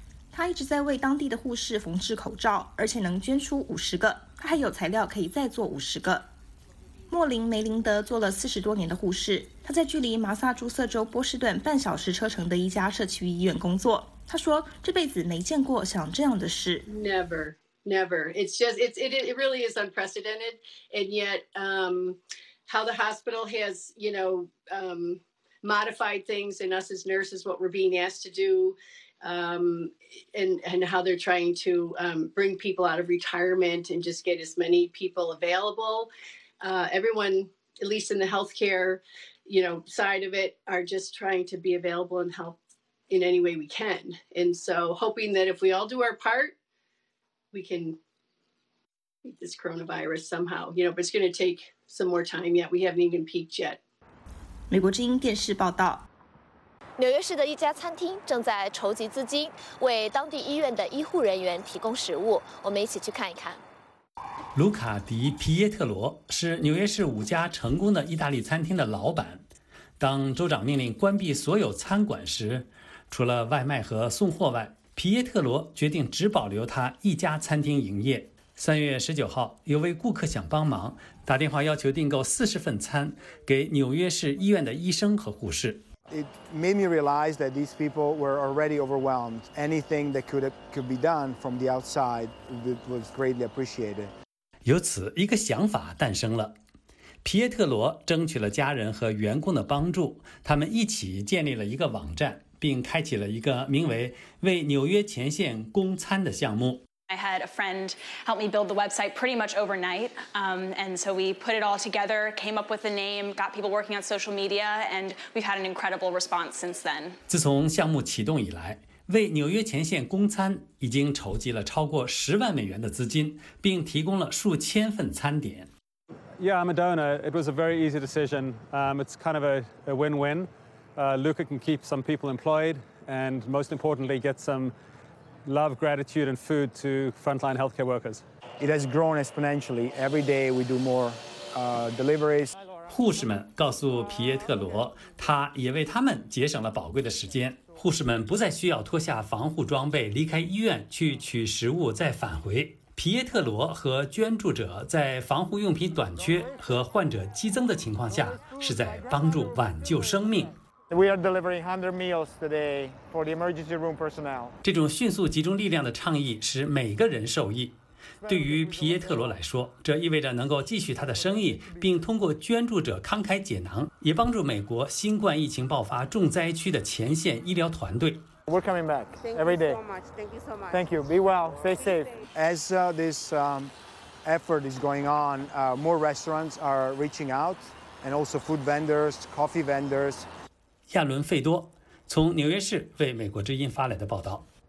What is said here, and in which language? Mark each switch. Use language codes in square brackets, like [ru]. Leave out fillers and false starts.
[zh] 他一直在为当地的护士缝制口罩，而且能捐出50个，他还有材料可以再做50个。莫林·梅林德做了40多年的护士，他在距离马萨诸塞州波士顿半小时车程的一家社区医院工作。他说，这辈子没见过像这样的事。 [en] Never, never. It really is unprecedented. And yet, how the hospital has, you know, modified things, and us as nurses, what we're being asked to do, and how they're trying to bring people out of retirement and just get as many people available. Everyone, at least in the healthcare, you know, side of it, are just trying to be available and help in any way we can. And so hoping that if we all do our part, we can beat this coronavirus somehow. You know, but it's going to take some more time yet. We haven't even peaked yet. [zh] 美国之音电视报道。纽约市的一家餐厅正在筹集资金，为当地医院的医护人员提供食物。我们一起去看一看。卢卡·迪皮耶特罗是纽约市5家成功的意大利餐厅的老板。当州长命令关闭所有餐馆时，除了外卖和送货外，皮耶特罗决定只保留他一家餐厅营业。 3月19号，有位顾客想帮忙，打电话要求订购40份餐给纽约市医院的医生和护士。 [en] It made me realize that these people were already overwhelmed. Anything that could be done from the outside was greatly appreciated. [zh] 由此，一个想法诞生了。皮耶特罗争取了家人和员工的帮助，他们一起建立了一个网站，并开启了一个名为“为纽约前线供餐”的项目。 [en] I had a friend help me build the website pretty much overnight. And so we put it all together, came up with the name, got people working on social media, and we've had an incredible response since then. [zh] 自从项目启动以来，为纽约前线供餐已经筹集了超过$100,000的资金，并提供了数千份餐点。 [en] Yeah, I'm a donor. It was a very easy decision. It's kind of a win-win. Luca can keep some people employed, and most importantly, get some love, gratitude, and food to frontline healthcare workers. It has grown exponentially. Every day we do more deliveries. [zh] 护士们告诉皮耶特罗，他也为他们节省了宝贵的时间。护士们不再需要脱下防护装备离开医院去取食物再返回。皮耶特罗和捐助者在防护用品短缺和患者激增的情况下，是在帮助挽救生命。 [en] We are delivering 100 meals today for the emergency room personnel. [zh] 这种迅速集中力量的倡议使每个人受益。对于皮耶特罗来说，这意味着能够继续他的生意，并通过捐助者慷慨解囊，也帮助美国新冠疫情爆发重灾区的前线医疗团队。 [en] We're coming back every day. Thank you so much. Thank you. Be well. Stay safe. As this effort is going on, more restaurants are reaching out, and also food vendors, coffee vendors. [zh] 亚伦·费多从纽约市为美国之音发来的报道。